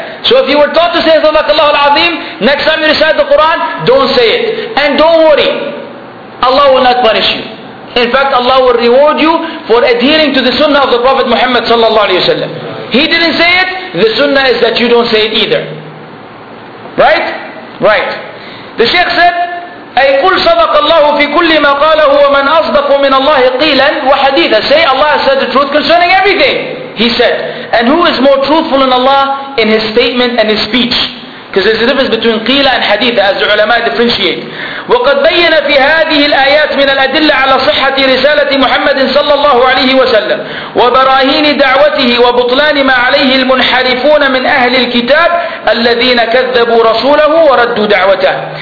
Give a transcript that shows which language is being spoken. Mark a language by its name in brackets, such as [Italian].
[English] So if you were taught to say Sadaqallahu al-Azim, next time you recite the Quran, don't say it. And don't worry. Allah will not punish you. In fact, Allah will reward you for adhering to the sunnah of the Prophet Muhammad sallallahu alayhi wa sallam. He didn't say it, the sunnah is that you don't say it either. Right? Right. The Shaykh said, [Arabic] أي قل صدق الله في كل ما قاله ومن أصدق من الله قيلا وحديثا. [English] Say Allah has said the truth concerning everything. He said. And who is more truthful than Allah in his statement and his speech? Because there's a difference between qila and hadith, as the ulama differentiate. [Arabic] وَقَدْ بَيَّنَ فِي هَذِهِ الْآيَاتِ مِنَ الْأَدِلَّةِ عَلَى صِحَّةِ رِسَالَةِ مُحَمَّدٍ صَلَّى اللَّهُ عَلَيْهِ وَسَلَّمَ وَبَرَاهِينِ دَعْوَتِهِ وَبُطْلَانِ مَا عَلَيْهِ الْمُنْحَرِفُونَ مِنْ أَهْلِ الْكِتَابِ الَّذِينَ كَذَّبُوا رَسُولَهُ وَرَدُّوا دَعْوَتَهُ.